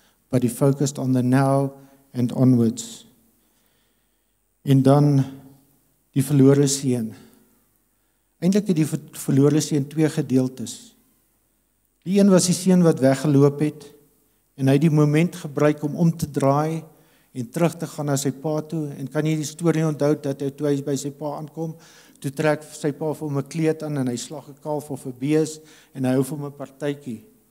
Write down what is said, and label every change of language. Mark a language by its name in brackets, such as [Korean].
[English] But he focused on the now and onwards. [Afrikaans] En dan die verlore seun. Eindelijk het die verlore seun twee gedeeltes. Die een was die seun wat weggeloop het, en hy die moment gebruik om te draai en terug te gaan na sy pa toe, en kan jy die story onthou dat hy toe hy by sy pa aankom, toe trek sy pa vir hom 'n kleed aan en hy slag 'n kalf of 'n bees en hy hou vir hom 'n partytjie.